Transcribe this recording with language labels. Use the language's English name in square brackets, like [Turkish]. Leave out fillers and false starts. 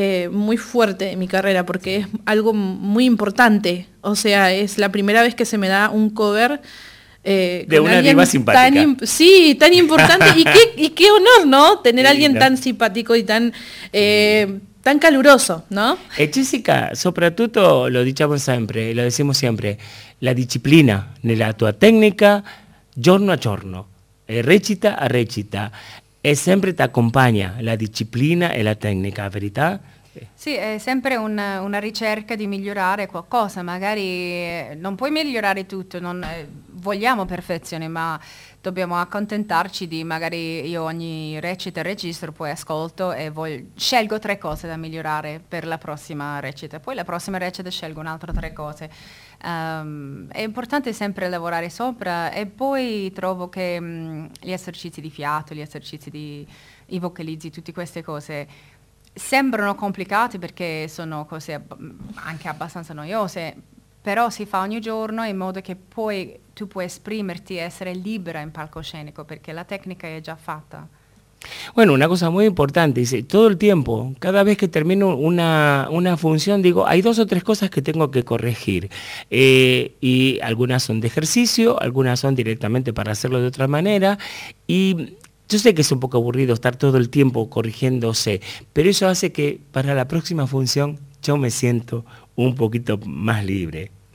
[Spanish] muy fuerte en mi carrera, porque es algo muy importante. O sea, es la primera vez que se me da un cover de una diva simpática. Tan importante. y qué honor, ¿no? Tener a alguien tan simpático y tan... tan caluroso, ¿no? [Italian] Jessica, soprattutto lo diciamo sempre, [Spanish] lo decimos siempre, [Italian] la disciplina nella tua tecnica, giorno a giorno, recita a recita, e sempre ti accompagna la disciplina e la tecnica, verità? Sì, è sempre una ricerca di migliorare qualcosa, magari non puoi migliorare tutto, non vogliamo perfezione, ma dobbiamo accontentarci di magari io ogni recita registro, poi ascolto e scelgo tre cose da migliorare per la prossima recita, poi la prossima recita scelgo un'altra tre cose. È importante sempre lavorare sopra e poi trovo che gli esercizi di fiato, gli esercizi di i vocalizzi, tutte queste cose sembrano complicate perché sono cose anche abbastanza noiose, però si fa ogni giorno in modo che poi tu puoi esprimerti e essere libera in palcoscenico, perché la tecnica è già fatta. [Spanish] Bueno, una cosa muy importante, dice, todo el tiempo, cada vez que termino una función, digo, hay dos o tres cosas que tengo que corregir, y algunas son de ejercicio, algunas son directamente para hacerlo de otra manera, y yo sé que es un poco aburrido estar todo el tiempo corrigiéndose, pero eso hace que para la próxima función yo me siento un poquito más libre.